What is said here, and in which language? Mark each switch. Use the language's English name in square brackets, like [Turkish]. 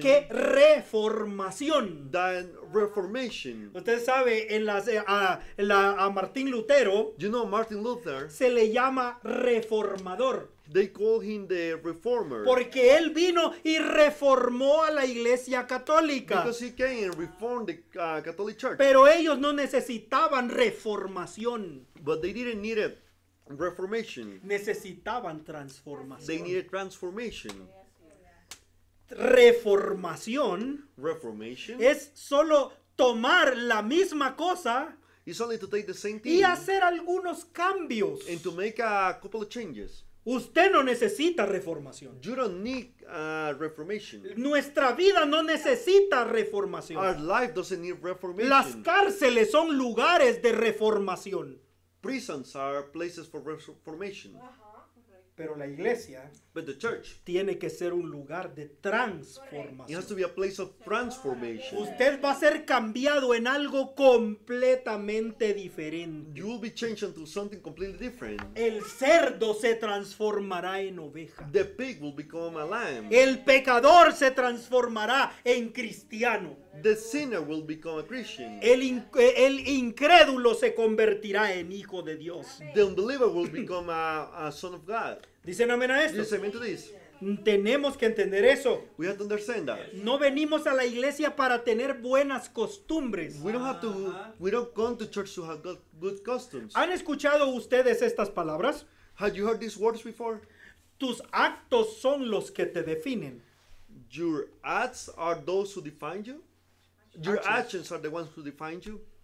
[Spanish] Que reformación. [English] Than reformation. [Spanish] Usted sabe a Martín Lutero. [English] You know Martin Luther. [Spanish] Se le llama reformador. [English] They call him the reformer. [Spanish] Porque él vino y reformó a la iglesia católica. [English] Because he came and reformed the Catholic Church. [Spanish] Pero ellos no necesitaban reformación. [English] But they didn't need a reformation. [Spanish] Necesitaban transformación. [English] They needed transformation. [Spanish] Reformación. [English] Reformation. [Spanish] Es solo tomar la misma cosa. [English] It's only to take the same thing. [Spanish] Y hacer algunos cambios. [English] And to make a couple of changes. [Spanish] Usted no necesita reformación. [English] You don't need reformation. [Spanish] Nuestra vida no necesita reformación. [English] Our life doesn't need reformation. [Spanish] Las cárceles son lugares de reformación. [English] Prisons are places for reformation. [Spanish] Pero la iglesia, [English] but the church, [Spanish] tiene que ser un lugar de transformación. [English] It has to be a place of transformation. [Spanish] Usted va a ser cambiado en algo completamente diferente. [English] You will be changed into something completely different. [Spanish] El cerdo se transformará en oveja. [English] The pig will become a lamb. [Spanish] El pecador se transformará en cristiano. [English] The sinner will become a Christian. [Spanish] El incrédulo se convertirá en hijo de Dios. [English] The unbeliever will become a son of God. [Spanish] Dicen amén a esto. [English] Listen to this. [Spanish] Tenemos que entender eso. [English] We have to understand that. [Spanish] No venimos a la iglesia para tener buenas costumbres. [English] We don't have to. We don't come to church to have good customs. [Spanish] ¿Han escuchado ustedes estas palabras? [English] Have you heard these words before? [Spanish] Tus actos son los que te definen. [English] Your acts are those who define you. Your actions are the ones who define you.